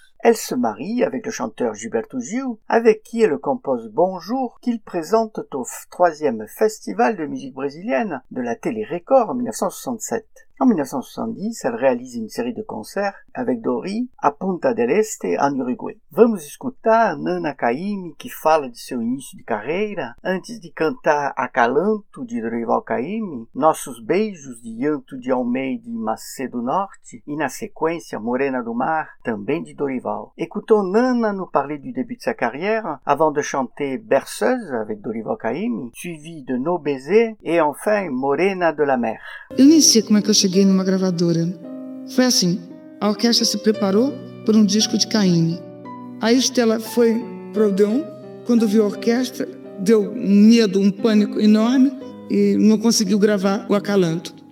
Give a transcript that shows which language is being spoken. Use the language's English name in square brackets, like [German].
[French] Elle se marie avec le chanteur Gilberto Gil, avec qui elle compose Bonjour, qu'il présente au troisième festival de musique brésilienne de la télé Record en 1967. En 1970, elle réalise une série de concerts avec Dori à Punta del Este, en Uruguay. [Portuguese] Vamos escutar Nana Caymmi, que fala de seu início de carreira, antes de cantar Acalanto, de Dorival Caymmi, Nossos Beijos, de Yanto de Almeida e Macedo Norte, e na sequência, Morena do Mar, também de Dorival. [French] Écoutons Nana nous parler du début de sa carrière, avant de chanter Berceuse, avec Dorival Caymmi, suivi de Nos Baisers, et enfin Morena de la Mer. [Portuguese] Eu nem sei como é que eu cheguei numa gravadora. Foi assim, a orquestra se preparou por um disco de Caymmi. Aí Stella foi pro Odeon, quando viu a orquestra, deu medo, um pânico enorme e não conseguiu gravar o Acalanto.